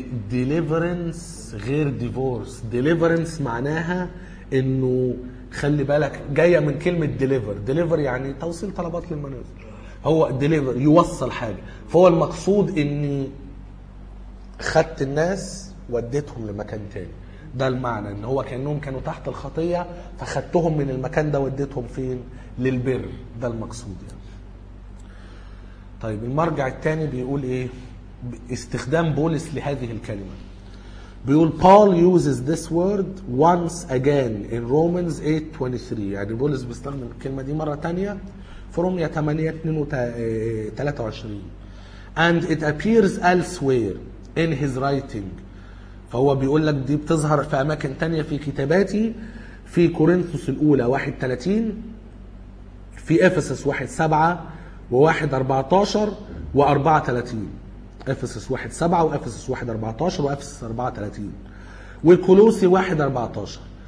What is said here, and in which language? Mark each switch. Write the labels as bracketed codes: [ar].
[ar] Deliverance غير Divorce. Deliverance معناها انه خلي بالك جاية من كلمة deliver. deliver يعني توصيل طلبات للمنازل. هو deliver يوصل حاجة. فهو المقصود اني خدت الناس وديتهم لمكان تاني. ده المعنى ان هو كأنهم كانوا تحت الخطية، فخدتهم من المكان ده وديتهم فين؟ للبر. ده المقصود يعني. طيب المرجع التاني بيقول ايه؟ استخدام بولس لهذه الكلمة. بيقول [en] Paul uses this word once again in Romans 8:23. [ar] يعني بولس بيستخدم الكلمة دي مرة تانية في رومية 8:23. [en] And it appears elsewhere in his writing. [ar] فهو بيقول لك دي بتظهر في أماكن تانية في كتاباتي، في كورنثوس الأولى 1:30، في إفسس 1:7 و 1:14 و 4:30. افسس 1:7 وافسس 1:14 وافسس 4:30 وكولوسي 1:14.